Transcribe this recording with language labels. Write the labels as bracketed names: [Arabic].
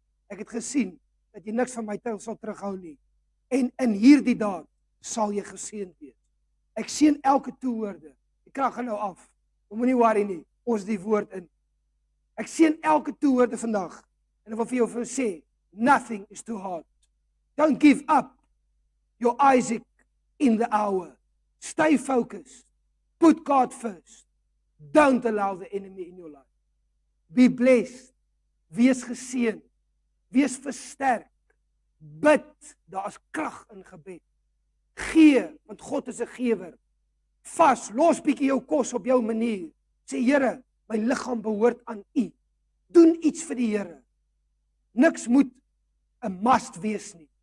[Afrikaans] Ek het gesien dat jy niks van my tyd sal terughou nie. En in hierdie daad sal jy geseën wees. Ek seën elke toehoorder. Die krag gaan nou af. Moenie worry nie. Ons die woord in. Ek seën elke toehoorder vandag. En ek wil vir jou sê, [English] nothing is too hard. Don't give up your Isaac in the hour. Stay focused. Put God first. Don't allow the enemy in your life. Be blessed. [Afrikaans] Wees geseën. Wees versterk. Bid, daar is krag in gebed. Gee, want God is 'n gewer. Vas, los bietjie jou kos op jou manier. Sê Here, my liggaam behoort aan U. Doen iets vir die Here. Niks moet 'n must wees nie.